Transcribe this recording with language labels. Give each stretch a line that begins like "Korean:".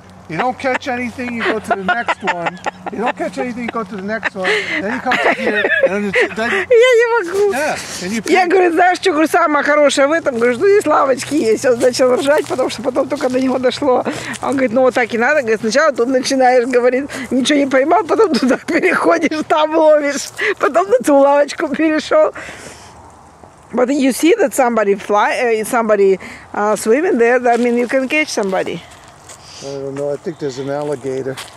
English: You don't catch anything, you go to the next one. You don't catch anything, you go to the next one. Then you come to here. And then
Russian: я не могу.
English: Yeah. And you
Russian: я говорю, знаешь, что говорю, самое хорошее в этом? Говорю, что здесь лавочки есть. Он начал ржать, потому что потом только до него дошло. Он говорит, ну вот так и надо. Говорит, сначала тут начинаешь, говорит, ничего не поймал, потом туда переходишь, там ловишь. Потом на ту лавочку перешел.
English: But you see that somebody swimming there, that mean you can catch somebody. I don't know. I think there's an alligator.